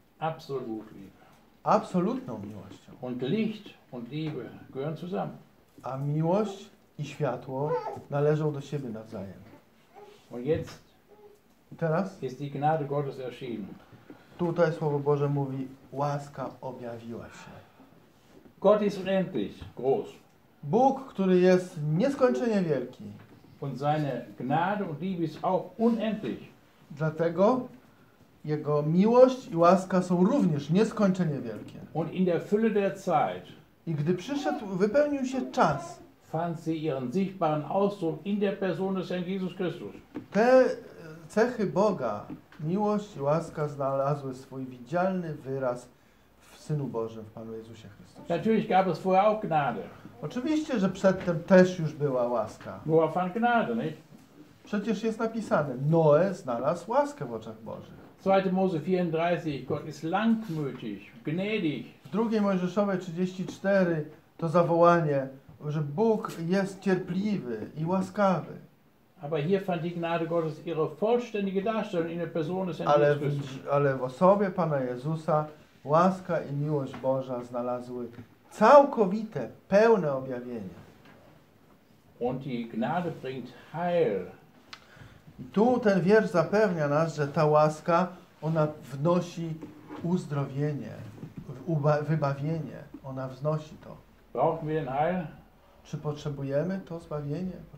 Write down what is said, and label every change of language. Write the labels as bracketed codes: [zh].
[de] Absolut Liebe. [pl] Absolutną miłością. [de] Und Licht und Liebe gehören zusammen. [pl] A miłość i światło należą do siebie nawzajem. [de] Und jetzt [pl] teraz [de] ist die Gnade Gottes erschienen. [pl] Tutaj Słowo Boże mówi, łaska objawiła się. [de] Gott ist unendlich groß. [pl] Bóg, który jest nieskończenie wielki. [de] Und seine Gnade und Liebe ist auch unendlich. [pl] Dlatego jego miłość i łaska są również nieskończenie wielkie. [de] Und in der Fülle der Zeit, [pl] i gdy przyszedł, wypełnił się czas, [de] fand sie ihren sichtbaren Ausdruck in der Person des Herrn Jesus Christus. [pl] Te cechy Boga, miłość i łaska, znalazły swój widzialny wyraz w Synu Bożym, w Panu Jezusie Chrystusie. [de] Natürlich gab es vorher auch Gnade. [pl] Oczywiście, że przedtem też już była łaska. Była [de] von Gnade, nicht? [pl] Przecież jest napisane, Noe znalazł łaskę w oczach Bożych. [de] 2. Mose 34, Gott ist langmütig, gnädig. [pl] W 2. Mojżeszowej 34 to zawołanie, że Bóg jest cierpliwy i łaskawy. [de] Aber hier fand die Gnade Gottes ihre vollständige Darstellung in der Person des Herrn Jesus. [pl] Ale w osobie Pana Jezusa łaska i miłość Boża znalazły całkowite, pełne objawienie. [de] Und die Gnade bringt Heil. [pl] Tu ten wiersz zapewnia nas, że ta łaska, ona wnosi uzdrowienie, wybawienie, ona wnosi to. [de] Brauchen wir ein Heil? [pl] Czy potrzebujemy to zbawienie?